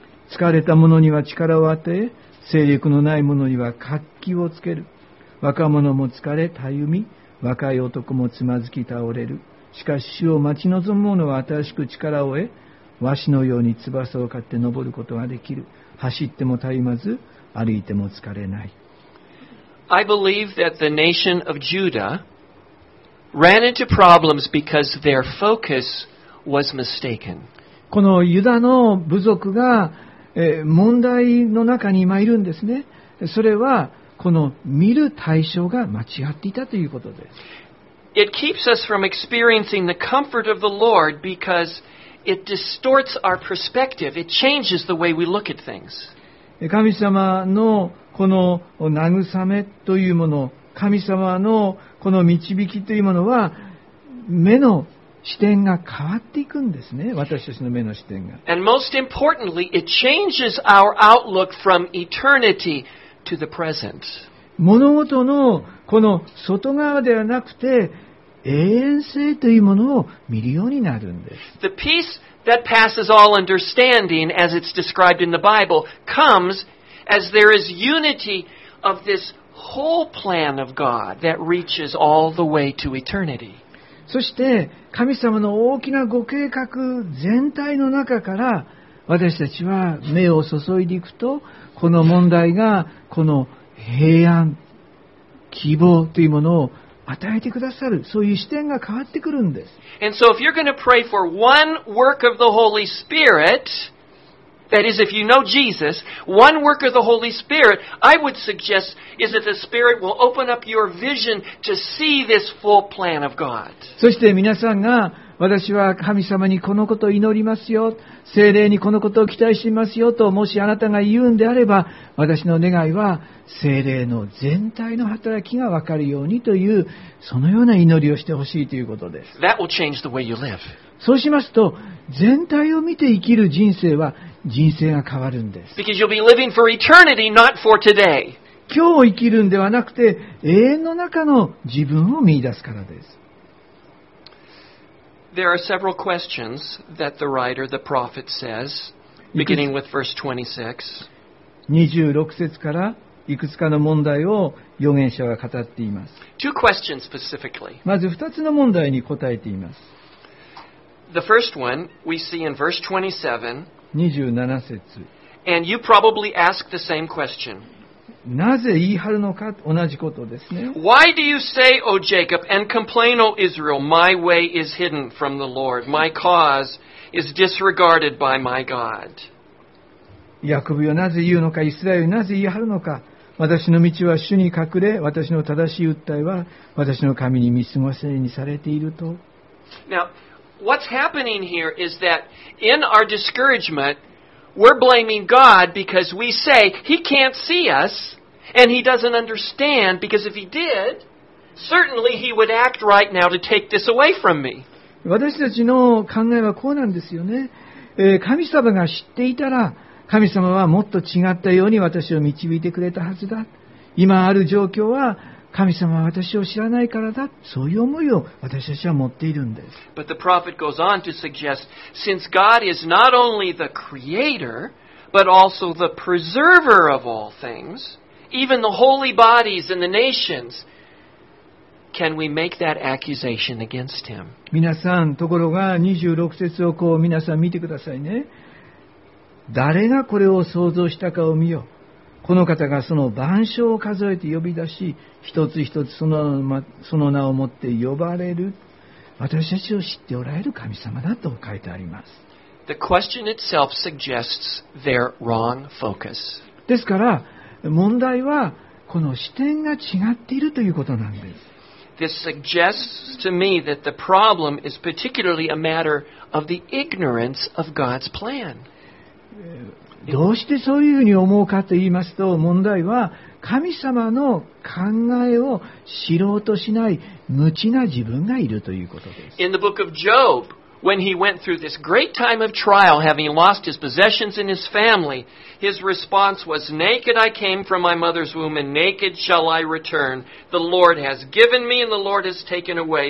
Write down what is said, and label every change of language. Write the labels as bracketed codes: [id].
[ja] 疲れた者には力を与え、精力のない者には活気をつける。若者も疲れたゆみ、若い男もつまずき倒れる。しかし主を待ち望む者は新しく力を得、わしのように翼を買って登ることができる。走っても絶えまず、歩いても疲れない。 [en] I believe that the nation of Judah ran into problems because their focus was mistaken. [ja] このユダの部族が、問題の中に今いるんですね。それはこの見る対象が間違っていたということです。 [en] It keeps us from experiencing the comfort of the Lord becauseIt distorts our perspective. It changes the way we look at things. [ja] 神様のこの慰めというもの、神様のこの導きというものは、目の視点が変わっていくんですね。私たちの目の視点が。 [en] And most importantly, it changes our outlook from eternity to the present. [ja] 物事のこの外側ではなくて、永遠性というものを見るようになるんです。 [en] The peace that passes all understanding, as it's described in the Bible, comes as there is unity of this whole plan of God that reaches all the way to eternity. [ja] そして神様の大きなご計画全体の中から私たちは目を注いでいくと、この問題がこの平安、希望というものを与えてくださる、そういう視点が変わってくるんです。 [en] And so if you're going to pray for one work of the Holy Spirit, that is if you know Jesus, one work of the Holy Spirit, I would suggest is that the Spirit will open up your vision to see this full plan of God. [ja] そして皆さんが、私は神様にこのことを祈りますよ、聖霊にこのことを期待していますよと、もしあなたが言うんであれば、私の願いは聖霊の全体の働きが分かるようにという、そのような祈りをしてほしいということです。 [en] That will change the way you live. [ja] そうしますと、全体を見て生きる人生は人生が変わるんです。 [en] Because you'll be living for eternity, not for today. [ja] 今日を生きるんではなくて、永遠の中の自分を見出すからです。 [en] There are several questions that the writer, the prophet says, beginning with verse 26. [ja] 26節からいくつかの問題を預言者は語っています。 [en] Two questions specifically. [ja] まず2つの問題に答えています。 [en] The first one we see in verse 27. [ja] 27節。 [en] And you probably ask the same question. [ja] なぜ言い張るのか、同じことですね。 [en] Why do you say, O Jacob, and complain, O Israel, my way is hidden from the Lord, my cause is disregarded by my God? [ja] ヤコブよ、なぜ言うのか、イスラエルよ、なぜ言い張るのか、私の道は主に隠れ、私の正しい訴えは私の神に見過ごせにされていると。 [en] Now, what's happening here is that in our discouragement,We're blaming God because we say He can't see us and He doesn't understand because if He did, certainly He would act right now to take this away from me. [ja] 私たちの考えはこうなんですよね。神様が知っていたら、神様はもっと違ったように私を導いてくれたはずだ。今ある状況は神様は私を知らないからだ。そういう思いを私たちは持っているんです。 [en] But the prophet goes on to suggest, since God is not only the creator, but also the preserver of all things, even the holy bodies and the nations, can we make that accusation against him? [ja] 皆さん、ところが26節をこう皆さん見てくださいね。誰がこれを創造したかを見よ。この方がその万象を数えて呼び出し、一つ一つその名を持って呼ばれる、私たちを知っておられる神様だと書いてあります。 [en] The question itself suggests their wrong focus. [ja] ですから、問題はこの視点が違っているということなんです。 [en] This suggests to me that the problem is particularly a matter of the ignorance of God's plan. [ja] どうしてそういうふうに思うかと言いますと、問題は神様の考えを知ろうとしない無知な自分がいるということです。 [en] In the book of Job, when he went through this great time of trial, having lost his possessions and his family, his response was, Naked I came from my mother's womb, and naked shall I return. The Lord has given me, and the Lord has taken away.